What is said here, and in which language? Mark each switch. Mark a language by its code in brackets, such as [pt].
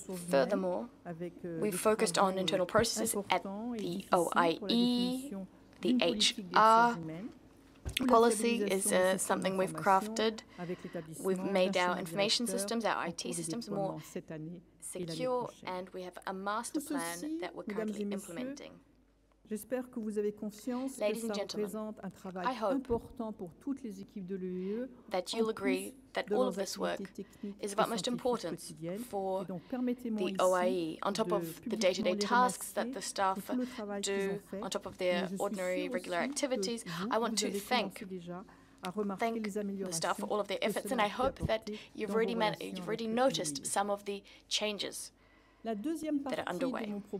[en] Furthermore, we've focused on internal processes at the OIE, the HR policy is something we've crafted. We've made our information systems, our IT systems, more secure, and we have a master plan that we're currently implementing. [fr] J'espère que vous avez conscience que ça représente un travail important pour toutes les équipes de l'OIE. [en] That you'll agree that all of this work is of utmost importance for the OIE, on top of the day-to-day tasks that the staff do, on top of their ordinary regular activities. I want to thank the staff for all of their efforts, and I hope that you've already noticed some of the changes that are underway.